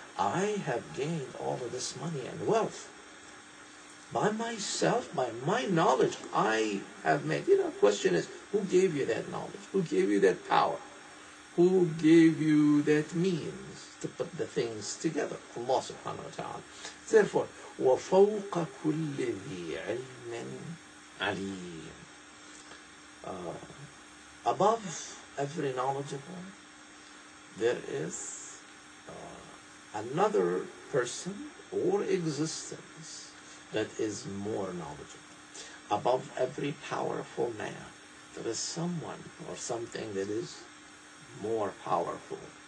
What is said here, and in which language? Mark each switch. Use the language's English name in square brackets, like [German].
[English] I have gained all of this money and wealth by myself, by my knowledge I have made. You know, the question is, who gave you that knowledge? Who gave you that power? Who gave you that means to put the things together? Allah subhanahu wa ta'ala. Therefore, [Arabic] وَفَوْقَ كُلِّ ذِي عِلْمٍ عَلِيمٍ. [English] Above every knowledgeable, there is another person or existence that is more knowledgeable. Above every powerful man, there is someone or something that is more powerful.